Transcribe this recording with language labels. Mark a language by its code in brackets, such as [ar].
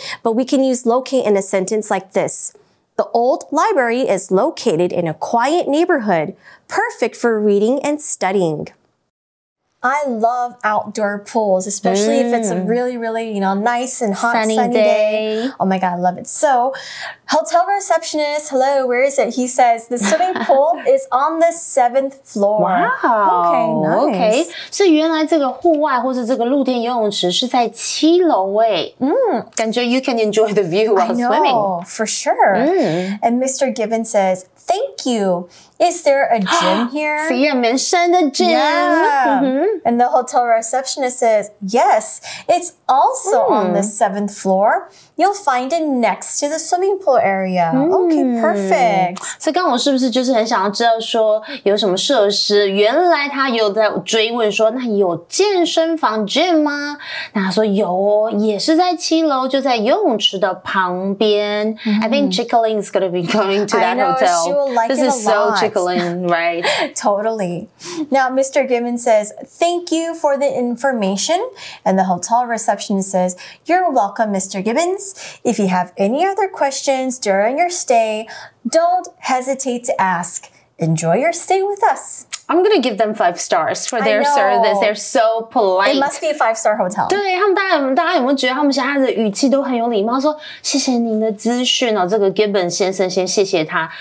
[en] But we can use locate in a sentence like this. The old library is located in a quiet neighborhood, perfect for reading and studying. I love outdoor pools, especially if it's a really, really, you know, nice and hot sunny day. Oh my God, I love it. So, hotel receptionist, hello, where is it? He says, the swimming pool is on the 7th floor. Wow. Okay, nice. Okay. [zh] 所以原来这个户外或是这个露天游泳池是在七楼位。感觉 [en] you can enjoy the view while swimming. I know, for sure. And Mr. Gibbon says, thank you. Is there a gym here? See, I mentioned the gym. Yeah. And the hotel receptionist says, yes, it's also on the 7th floor. You'll find it next to the swimming pool area. Okay, perfect. [zh] 所以刚刚我是不是就是很想要知道说有什么设施？原来他有在追问说，那有健身房 gym 吗？那他说有哦，也是在七楼，就在游泳池的旁边。 [en] I think Chick-fil-A is going to be going to that hotel. She will like this it is a lot. So Chick-fil-A, right? Totally. Now, Mr. Gibbon says, thank you for the information. And the hotel receptionist says, you're welcome, Mr. Gibbon. If you have any other questions during your stay, don't hesitate to ask. Enjoy your stay with us. I'm going to give them 5 stars for their service. They're so polite. It must be a 5-star hotel. [zh] 对，他们大家有没有觉得他们现在的语气都很有礼貌，说谢谢您的资讯哦，这个 Gibbon 先生先谢谢他。